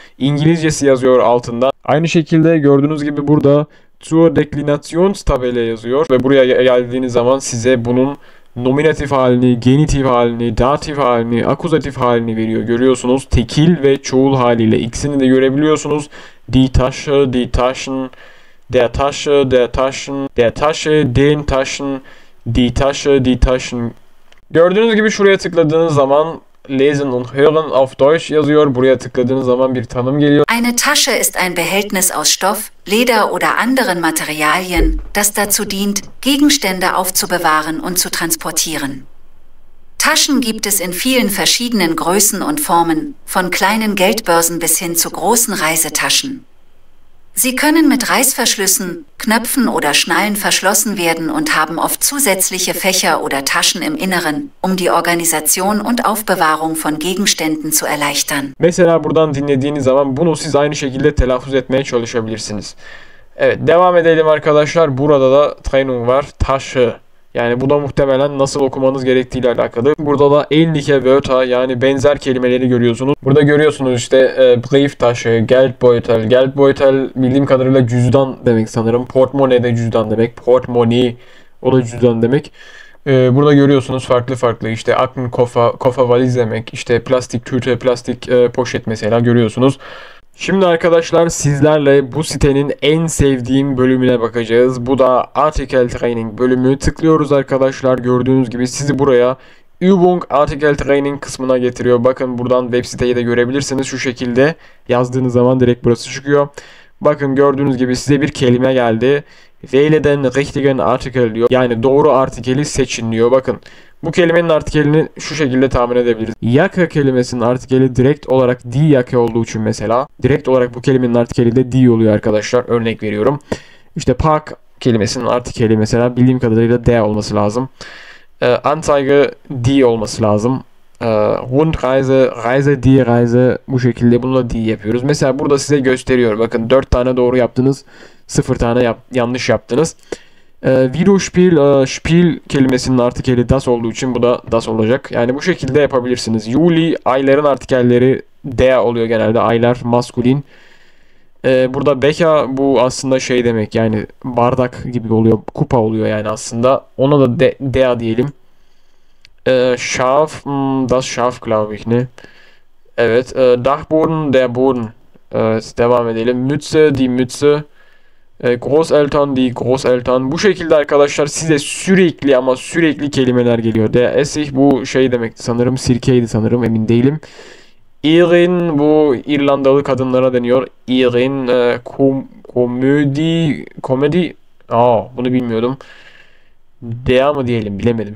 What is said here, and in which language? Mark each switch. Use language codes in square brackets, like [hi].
[tr] İngilizcesi yazıyor altında. Aynı şekilde gördüğünüz gibi burada zur Deklinations tabela yazıyor. Ve buraya geldiğiniz zaman size bunun nominatif halini, genitif halini, datif halini, akuzatif halini veriyor. Görüyorsunuz tekil ve çoğul haliyle ikisini de görebiliyorsunuz. [de] Die Tasche, die Taschen, der Tasche, der Taschen, der Tasche, den Taschen, die Tasche, die Taschen. [tr] Gördüğünüz gibi şuraya tıkladığınız zaman [de] Lesen und Hören auf Deutsch [tr] yazıyor. Buraya tıkladığınız zaman bir tanım geliyor. [de] Eine Tasche ist ein Behältnis aus Stoff, Leder oder anderen Materialien, das dazu dient, Gegenstände aufzubewahren und zu transportieren. Taschen gibt es in vielen verschiedenen Größen und Formen, von kleinen Geldbörsen bis hin zu großen Reisetaschen. Sie können mit Reißverschlüssen, Knöpfen oder Schnallen verschlossen werden und haben oft zusätzliche Fächer oder Taschen im Inneren, um die Organisation und Aufbewahrung von Gegenständen zu erleichtern. [tr] Mesela buradan dinlediğiniz zaman bunu siz aynı şekilde telaffuz etmeye çalışabilirsiniz. Evet, devam edelim arkadaşlar. Burada da Trennung var. Taşı. Yani bu da muhtemelen nasıl okumanız gerektiği ile alakalı. Burada da [de] ähnliche Wörter [tr] yani benzer kelimeleri görüyorsunuz. Burada görüyorsunuz işte brief taşı, geldbeutel. Geldbeutel bildiğim kadarıyla cüzdan demek sanırım. Portmone de cüzdan demek. Portmoney o da cüzdan demek. Burada görüyorsunuz farklı farklı işte aklın kofa valiz demek işte plastik tüte plastik poşet mesela görüyorsunuz. Şimdi arkadaşlar sizlerle bu sitenin en sevdiğim bölümüne bakacağız. Bu da Article Training bölümü. Tıklıyoruz arkadaşlar gördüğünüz gibi sizi buraya Übung Article Training kısmına getiriyor. Bakın buradan web siteyi de görebilirsiniz şu şekilde yazdığınız zaman direkt burası çıkıyor. Bakın gördüğünüz gibi size bir kelime geldi. [de] Wähle den richtigen Artikel diyor. [tr] Yani doğru artikeli seçin diyor. Bakın bu kelimenin artikelini şu şekilde tahmin edebiliriz. Yaka kelimesinin artikeli direkt olarak di yaka olduğu için mesela direkt olarak bu kelimenin artikeli de di oluyor arkadaşlar. Örnek veriyorum. İşte park kelimesinin artikeli mesela bildiğim kadarıyla de olması lazım. Anzeige di olması lazım. [de] Rundreise, Reise, die Reise [tr] bu şekilde bunu da die yapıyoruz. Mesela burada size gösteriyor. Bakın 4 tane doğru yaptınız. 0 tane yanlış yaptınız. Widerspiel kelimesinin artikeli das olduğu için bu da das olacak. Yani bu şekilde yapabilirsiniz. Juli ayların artikelleri de oluyor genelde. Aylar maskulin. Burada beka bu aslında şey demek yani bardak gibi oluyor. Kupa oluyor yani aslında. Ona da de diyelim. [de] Schaf, das Schaf glaube ich ne? Evet, Dachboden, der Boden. [tr] Evet, devam edelim. [de] Mütze, die Mütze. Großeltern, die Großeltern. [tr] Bu şekilde arkadaşlar size sürekli ama sürekli kelimeler geliyor. [de] Der Essig [tr] bu şey demekti sanırım, sirkeydi sanırım, emin değilim. Irin bu İrlandalı kadınlara deniyor. Irin komedi. Aa, bunu bilmiyordum. Dea mı diyelim bilemedim.